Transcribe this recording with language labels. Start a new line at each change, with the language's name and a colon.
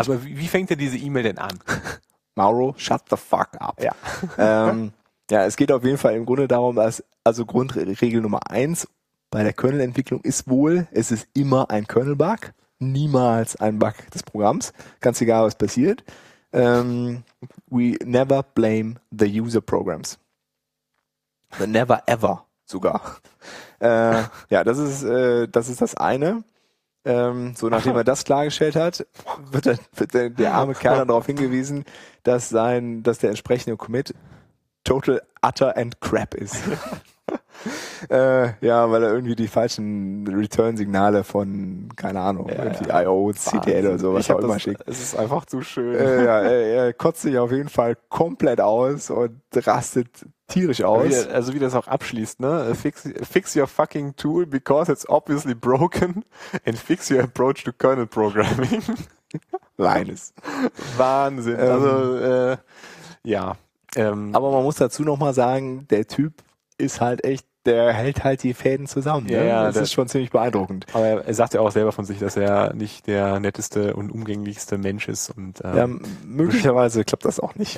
German: Aber wie fängt er diese E-Mail denn an?
English: Mauro, shut the fuck up.
German: Ja. Ja, es geht auf jeden Fall im Grunde darum, dass, also Grundregel Nummer 1 bei der Kernel-Entwicklung ist wohl, es ist immer ein Kernel-Bug, niemals ein Bug des Programms, ganz egal, was passiert.
English: We never blame the user programs. But never ever
German: sogar. Ja, das ist das eine. So nachdem er das klargestellt hat, wird der arme Kerl dann darauf hingewiesen, dass der entsprechende Commit
English: total, utter and crap
German: ist. ja, weil er irgendwie die falschen Return-Signale von, keine Ahnung, irgendwie I.O., CTL Wahnsinn. Oder sowas auch immer schickt. Es ist einfach zu schön. Er kotzt sich auf jeden Fall komplett aus und rastet tierisch aus. Also wie das auch abschließt, ne?
English: Fix your fucking tool because it's obviously broken and fix your approach to kernel programming.
German: Linus. Wahnsinn. Also, aber man muss dazu nochmal sagen, der Typ ist halt echt, der hält halt die Fäden zusammen. Ja, ne? Das ist schon ziemlich beeindruckend. Aber er sagt ja auch selber von sich, dass er nicht der netteste und umgänglichste Mensch ist. Und möglicherweise klappt das auch nicht.